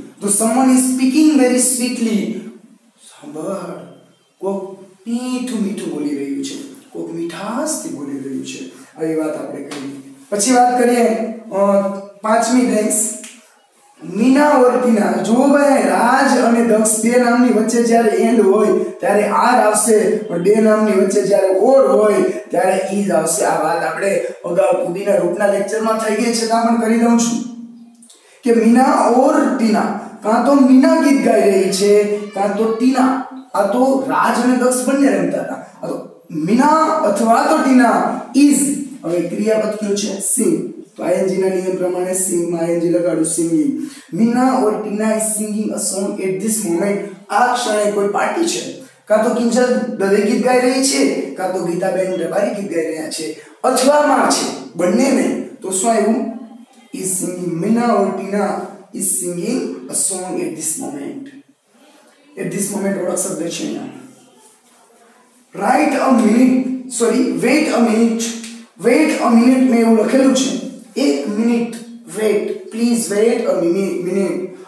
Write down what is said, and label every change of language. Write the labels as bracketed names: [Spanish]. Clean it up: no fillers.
[English] તો someone is speaking very sweetly. [Gujarati] સાંભળ, કોક મીઠું મીઠું બોલી રહ્યું છે, કોક મીઠાશથી બોલી રહ્યું છે, આવી વાત આપણે કરી. પછી વાત કરીએ પાંચમી ડેન્સ, મીના ઓર ટીના. જો ભાઈ, રાજ અને દક્ષ બે નામની વચ્ચે જ્યારે એન્ડ હોય ત્યારે આર આવશે, પણ બે નામની વચ્ચે જ્યારે ઓર હોય ત્યારે ઈઝ આવશે. આ વાત આપણે અગાઉ કુદીના રૂપના લેક્ચરમાં થઈ ગઈ છે, પણ કરી દઉં છું કે મીના ઓર ટીના, કાં તો મીના ગીત ગાઈ રહી છે કાં તો ટીના. આ તો રાજ અને દક્ષ બંને રમતા હતા, તો મીના અથવા તો ટીના ઇઝ. હવે ક્રિયાપદ કયો છે? સિંગ. તો આઈએનજી ના નિયમ પ્રમાણે સિંગ માં ING લગાડું, singing. [English] Meena or Tina is singing a song at this moment. [Gujarati] આ ક્ષણે કોઈ પાર્ટી છે, કાં તો કિંજલ દવે ગીત ગાઈ રહી છે, કાં તો ગીતાબેન રબારી ગીત ગાઈ રહ્યા છે, અથવા માં છે બંને ને. તો શું આવ્યું? [English] Is singing, Mina or Tina is singing a song at this moment. At this moment, what is the question? Write a minute, sorry, wait a minute. Wait a minute, [Gujarati] mein likhe lu chhe. [English] Ek minute, wait, please wait a minute.